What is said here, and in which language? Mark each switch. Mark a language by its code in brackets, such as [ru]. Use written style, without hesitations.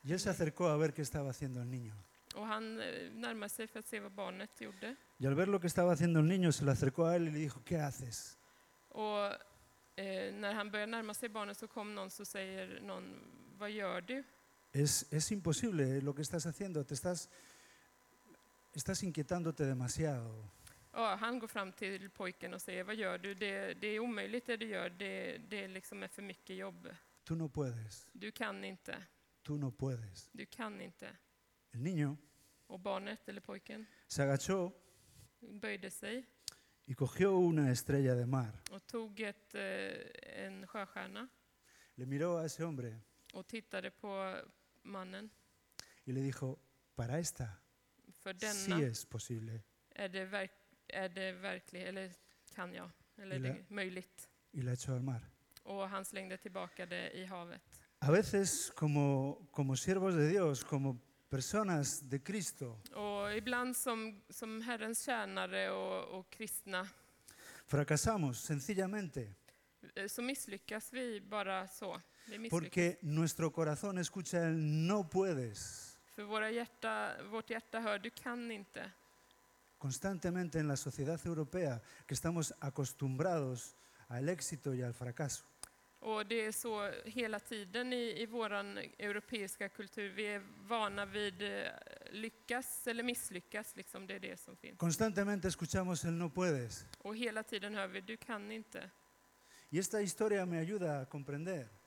[es] Y él se acercó a ver qué estaba haciendo el niño. [sv] Och han närmade sig för att se vad barnet gjorde. [es] Y al ver lo que estaba haciendo el niño, se le acercó a él y le dijo, ¿qué haces? [sv] Och när han började närma sig barnet så kom någon så säger någon, vad gör du? [es] Es imposible lo que estás haciendo, estás inquietándote demasiado. [sv] Ja, han går fram till pojken och säger, vad gör du? Det är omöjligt det du gör, det liksom är för mycket jobb. [es] Tú no puedes. [sv] Du kan inte. [es] Tú no puedes. [sv] Du kan inte. [es] El niño. [sv] Och barnet eller pojken. [es] Se agachó. [sv] Böjde sig. [es] Y cogió una estrella de mar. [sv] Och tog en sjöstjärna. [es] Le miró a ese hombre. [sv] Och tittade på mannen. [es] Y le dijo, para esta. [sv] För denna. [es] Sí es posible. [sv] Är det verkligt eller kan jag eller är det möjligt? [es] Y la echó al mar. [sv] Och han slängde tillbaka det i havet. [es] A veces como siervos de Dios, como personas de Cristo. [sv] Och ibland som Herrens tjänare och kristna. [es] Fracasamos sencillamente. [sv] Så misslyckas vi bara så. [es] Porque nuestro corazón escucha el no puedes. [sv] För vårt hjärta hör du kan inte. [es] Constantemente en la sociedad europea que estamos acostumbrados al éxito y al fracaso. [sv] Och det är så hela tiden i våran europeiska kultur. Vi är vana vid lyckas eller misslyckas, liksom det är det som finns. [es] Constantemente escuchamos el no puedes. [sv] Och hela tiden hör vi du kan inte. [es] Y esta historia me ayuda a comprender.